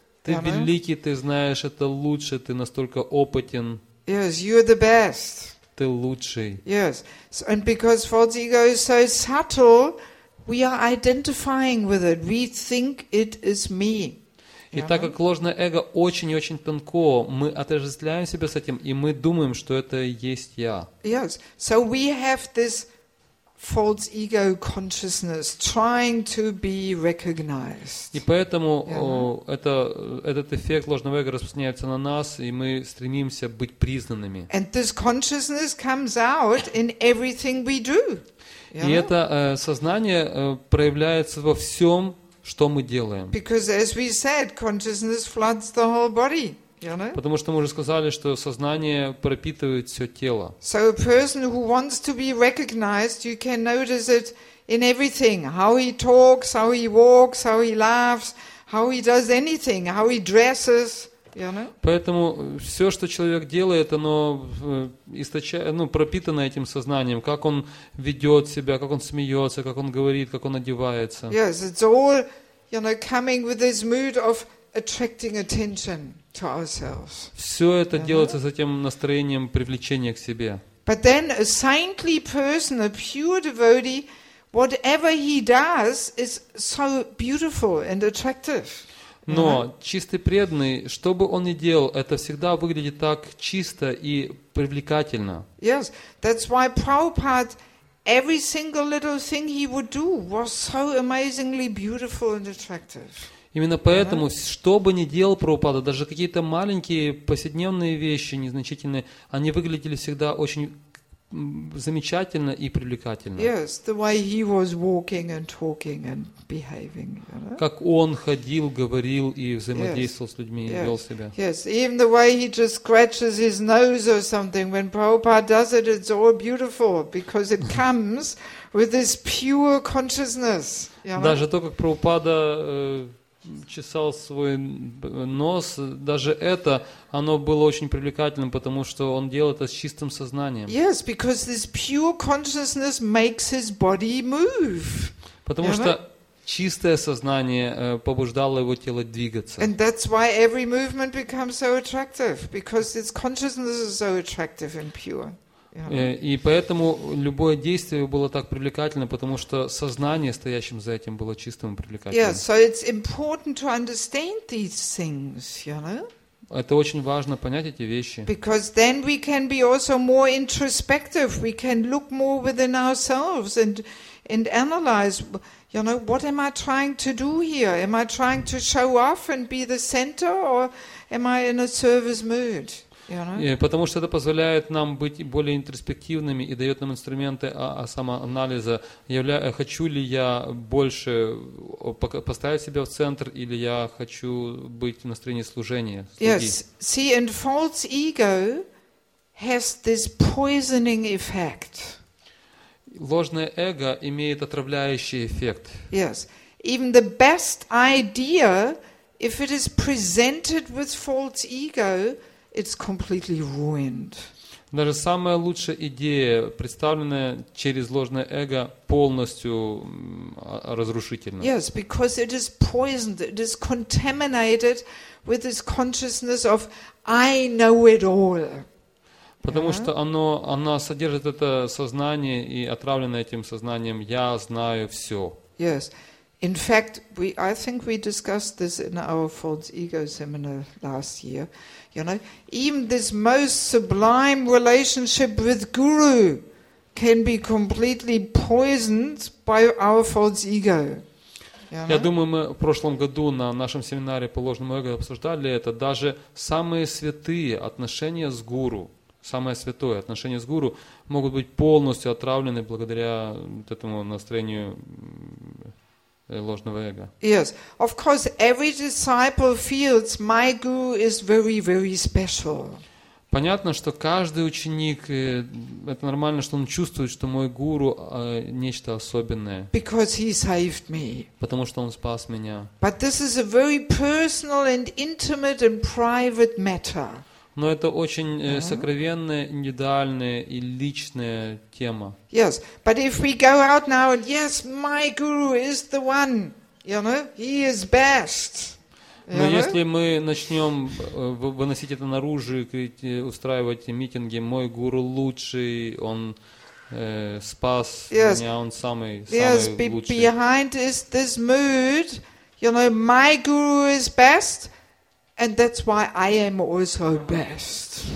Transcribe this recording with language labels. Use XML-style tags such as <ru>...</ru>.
<ru>Ты великий, ты знаешь это лучше, ты настолько опытен.</ru> <en>Yes, you are the best.</en> <ru>Ты лучший.</ru> <en>Yes, and because false ego is so subtle, we are identifying with it, we think it is me.</en> <ru>И так как ложное эго очень и очень тонко, мы отождествляем себя с этим, и мы думаем, что это и есть я.</ru> <en>Yes, so we have this false ego consciousness trying to be recognized.</en> <ru>И поэтому этот эффект ложного эго распространяется на нас, и мы стремимся быть признанными.</ru> <en>And this consciousness comes out in everything we do.</en> <ru>И это сознание проявляется во всем, что мы делаем.</ru> <en>Because as we said, consciousness floods the whole body, you know?</en> <ru>Потому что мы уже сказали, что сознание пропитывает все тело.</ru> <en>So a person who wants to be recognized, you can notice it in everything. How he talks, how he walks, how he laughs, how he does anything, how he dresses.</en> <ru>Поэтому все, что человек делает, оно источает, ну, пропитано этим сознанием, как он ведет себя, как он смеется, как он говорит, как он одевается.</ru> <en>Yes, it's all, you know, coming with this mood of attracting attention to ourselves.</en> <ru>Все это делается с этим настроением привлечения к себе.</ru> <en>But then a saintly person, a pure devotee, whatever he does is so beautiful and attractive.</en> <ru>Но чистый преданный, что бы он ни делал, это всегда выглядит так чисто и привлекательно.</ru> <en>Yes, that's why Prabhupada, every single little thing he would do was so amazingly beautiful and attractive.</en> <ru>Именно поэтому, что бы ни делал Прабхупада, даже какие-то маленькие повседневные вещи, незначительные, они выглядели всегда очень замечательно и привлекательно.</ru> <en>Yes, the way he was walking and talking and behaving. You know?</en> <ru>Как он ходил, говорил и взаимодействовал</ru> <en>yes.</en> <ru>с людьми,</ru> <en>yes.</en> <ru>вел себя.</ru> <en>Yes, even the way he just scratches his nose or something when Prabhupada does it, it's all beautiful because it comes with this pure consciousness. You know?</en> <ru>Даже то, как Прабхупада чесал свой нос, даже это, оно было очень привлекательным, потому что он делал это с чистым сознанием.</ru> <en>Yes, because this pure consciousness makes his body move.</en> <ru>Потому что чистое сознание побуждало его тело двигаться.</ru> <en>And that's why every movement becomes so attractive, because its consciousness is so attractive and pure.</en> <ru>И поэтому любое действие было так привлекательно, потому что сознание, стоящим за этим, было чистым и привлекательным.</ru> <en>Yeah, so it's important to understand these things, you know?</en> <ru>Это очень важно понять эти вещи.</ru> <en>Because then we can be also more introspective. We can look more within ourselves and analyze, you know, what am I trying to do here? Am I trying to show off and be the center, or am I in a service mood?</en> <ru>Потому что это позволяет нам быть более интроспективными и дает нам инструменты самоанализа. Хочу ли я больше поставить себя в центр, или я хочу быть в настроении служения?</ru> <en>Yes. See, and false ego has this poisoning effect.</en> <ru>Ложное эго имеет отравляющий эффект.</ru> <en>Yes. Even the best idea, if it is presented with false ego, it's completely ruined.</en> <ru>Даже самая лучшая идея, представленная через ложное эго, полностью разрушительна.</ru> <en>Yes, because it is poisoned, it is contaminated with this consciousness of I know it all.</en> <ru>Потому что оно содержит это сознание и отравлено этим сознанием я знаю всё.</ru> <en>Yes. In fact, I think we discussed this in our false ego seminar last year. You know, even this most sublime relationship with Guru can be completely poisoned by our false ego.</en> <ru>Я думаю, мы в прошлом году на нашем семинаре по ложному эго обсуждали это. Даже самые святые отношения с Гуру, самое святое отношение с Гуру, могут быть полностью отравлены благодаря этому настроению ложного эго.</ru> <en>Yes, of course, every disciple feels my guru is very, very special.</en> <ru>Понятно, что каждый ученик, это нормально, что он чувствует, что мой гуру нечто особенное.</ru> <en>Because he saved me.</en> <ru>Потому что он спас меня.</ru> <en>But this is a very personal and intimate and private matter.</en> <ru>Но это очень сокровенная, индивидуальная и личная тема.</ru> <en>Yes, but if we go out now and yes, my guru is the one, you know, he is best.</en> <ru>Но если мы начнем выносить это наружу и устраивать митинги, мой гуру лучший, он спас меня, он самый лучший.</ru> <en>Yes, behind is this mood, you know, my guru is best. And that's why I am also best.</en>